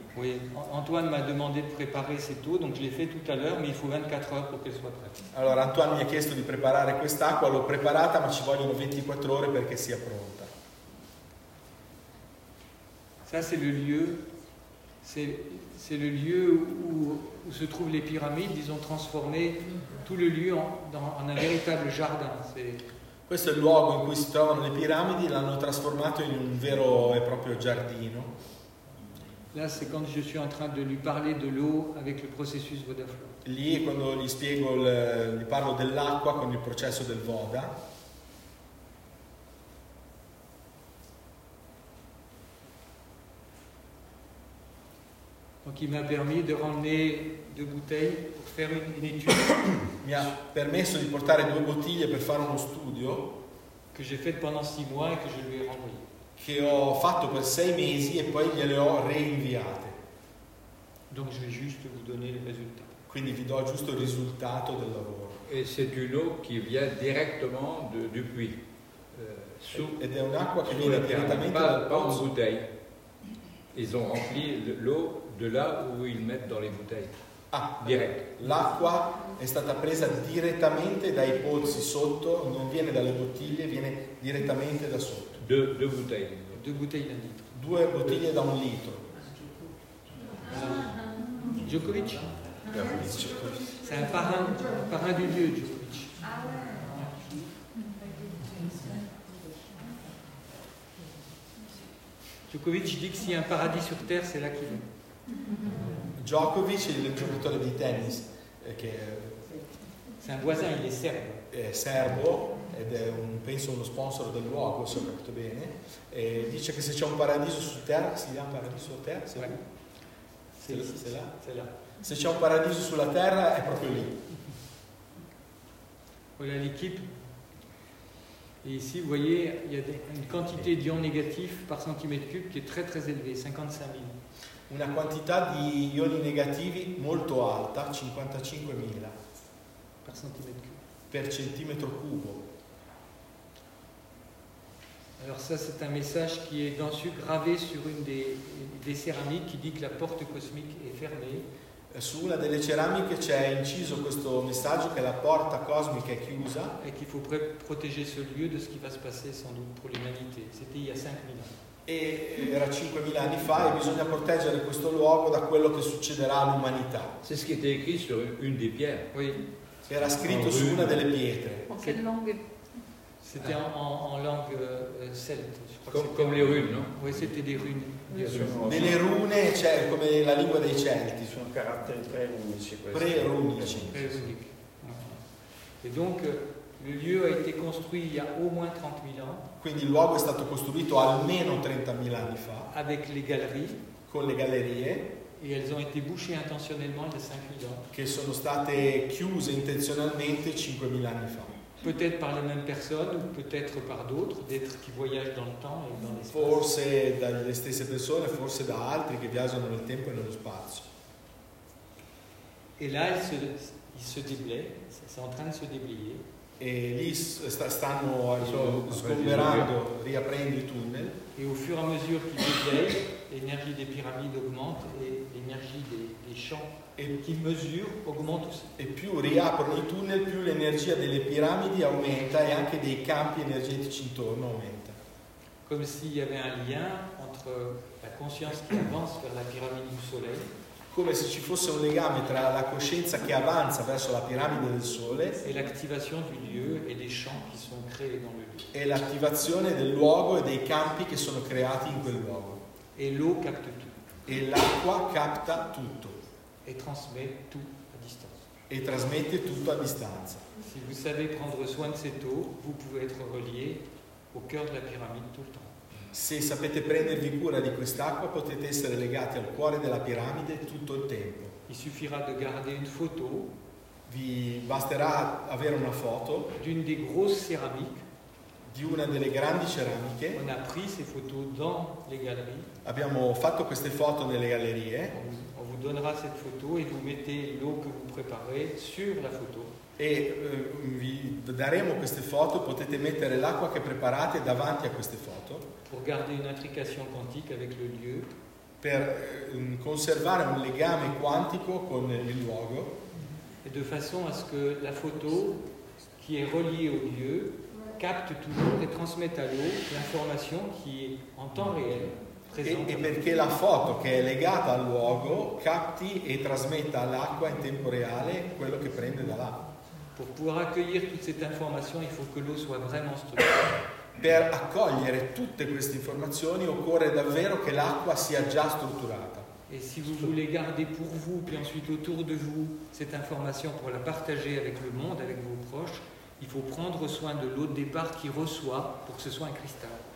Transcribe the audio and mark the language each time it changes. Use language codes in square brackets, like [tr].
[fr] Oui, Antoine m'a demandé de préparer cette eau, donc je l'ai fait tout à l'heure, mais il faut 24 heures pour qu'elle soit prête. [it] Allora, Antoine mi ha chiesto di preparare quest'acqua, l'ho preparata, ma ci vogliono 24 ore perché sia pronta. [fr] Ça c'est le lieu, c'est le lieu où se trouvent les pyramides, ils ont transformé tout le lieu en un véritable jardin. [it] Questo è il luogo in cui si trovano le piramidi, l'hanno trasformato in un vero e proprio giardino. [fr] Là, c'est quand je suis en train de lui parler de l'eau avec le processus Vodaflow. [it] Lì è quando gli spiego, gli parlo dell'acqua con il processo del Voda. [fr] Donc il m'a permis de ramener deux bouteilles pour faire une étude. [it] Mi ha permesso di portare due bottiglie per fare uno studio. [fr] Que j'ai fait pendant six mois et que je lui ai renvoyé. [it] Che ho fatto per sei mesi e poi gliele ho reinviate. [fr] Donc je vais juste vous donner le résultat. [it] Quindi vi do giusto il risultato del lavoro. [fr] Et c'est de l'eau qui vient directement du puits. [it] Ed è un'acqua che viene direttamente dal pozzo. [fr] Pas en bouteille. Ils ont rempli l'eau de là où ils mettent dans les bouteilles. Ah, direct. [it] L'acqua è stata presa direttamente dai pozzi sotto, non viene dalle bottiglie, viene direttamente da sotto. [fr] Deux bouteilles. Deux bouteilles d'un litre. [it] Due bottiglie da un litro. [fr] Djokovic. C'est un parrain du lieu, Djokovic. Djokovic dit que s'il y a un paradis sur terre, c'est là qu'il est. [it] Djokovic, il giocatore di tennis, che [fr] C'est un voisin, il est serbe. [it] È serbo ed è un, penso uno sponsor del luogo, se ho capito bene. E dice che se c'è un paradiso su terra, si chiama paradiso su terra? Sì. [fr] C'est là. [it] Se c'è un paradiso sulla terra è proprio lì. [fr] Voilà l'équipe. Et ici, vous voyez, il y a une quantité d'ions négatifs par centimètre cube qui est très très élevée, 55 000. [it] Una quantità di ioni negativi molto alta, 55 000. Per centimetro cubo. Per centimetro cubo. [fr] Alors ça c'est un message qui est dansu gravé sur une des céramiques qui dit que la porte cosmique est fermée. [it] Su una delle ceramiche c'è inciso questo messaggio che la porta cosmica è chiusa. [fr] E qu'il faut protéger ce lieu de ce qui va se passer sans doute pour l'humanité. C'était il y a 5 000 ans. [it] E era 5.000 anni fa e bisogna proteggere questo luogo da quello che succederà all'umanità. [fr] C'est ce qui était écrit sur une des pierres. Oui. [it] Era scritto su una delle pietre. [fr] C'était en langue celte. Comme les runes, non? Oui, c'était des runes. [it] Nelle rune, cioè come la lingua dei Celti, sono caratteri pre-runici. Pre-runici. Pre-runici. [fr] E donc, le lieu a été construit il y a au moins 30 000 ans. [it] Quindi il luogo è stato costruito almeno 30.000 anni fa. [fr] Avec les galeries. [it] Con le gallerie. [fr] Et elles ont été bouchées intentionnellement il y a 5 000 ans. [it] Che sono state chiuse intenzionalmente 5.000 anni fa. [fr] Peut-être par les mêmes personnes ou peut-être par d'autres, d'êtres qui voyagent dans le temps et dans l'espace. [it] Forse dalle stesse persone, forse da altri che viaggiano nel tempo e nello spazio. [fr] Et là, il se déblaye, c'est en train de se déblayer. [it] Et lì stanno sgomberando, riaprendo i tunnel. [fr] Et au fur et à mesure qu'il déblaye, l'énergie des pyramides augmente et l'énergie des champs. Et qui mesure augmente aussi. Et plus [it] riaprono i tunnel, [fr] plus l'énergie [it] delle piramidi aumenta [fr] et [it] anche dei campi energetici intorno aumenta. [fr] Comme s'il y avait un lien entre la conscience qui avance vers la pyramide du soleil. [it] Come se ci fosse un legame tra la coscienza che avanza verso la piramide del sole e l'attivazione [fr] du lieu [it] e dei [fr] champs qui sont créés dans le lieu. [it] E l'attivazione del luogo e dei campi che sono creati in quel luogo. [fr] Et l'eau capte tout. [it] E l'acqua capta tutto. [fr] Et transmet tout à distance. [it] Et trasmette tutto a distanza. [fr] Si vous savez prendre soin de cette eau, vous pouvez être relié au cœur de la pyramide tout le temps. [it] Se sapete prendervi cura di quest'acqua, potete essere legati al cuore della piramide tutto il tempo. [fr] Il suffira de garder une photo. [it] Vi basterà avere una foto. [fr] D'une des grosses céramiques. [it] Di una delle grandi ceramiche. [fr] On a pris ces photos dans les galeries. [it] Abbiamo fatto queste foto nelle gallerie. [fr] Donnera cette photo et vous mettez l'eau que vous préparez sur la photo. [it] Et vi daremo queste foto, potete mettere l'acqua che preparate davanti a queste foto. [fr] Pour garder une intrication quantique avec le lieu. [it] Per conservare un legame quantico con il luogo. [fr] Et de façon à ce que la photo qui est reliée au lieu capte toujours et transmette à l'eau l'information qui est en temps réel. [it] E perché la foto che è legata al luogo capti e trasmetta all'acqua in tempo reale quello che prende da là. [fr] Pour pouvoir accueillir toute cette information, il faut que l'eau soit vraiment stocca. [it] Per accogliere tutte queste informazioni occorre davvero che l'acqua sia già strutturata. [fr] Et si vous voulez garder pour vous puis ensuite autour de vous cette information pour la partager avec le monde, avec vos proches, il faut prendre soin de l'eau de départ qui reçoit pour que ce soit un cristal.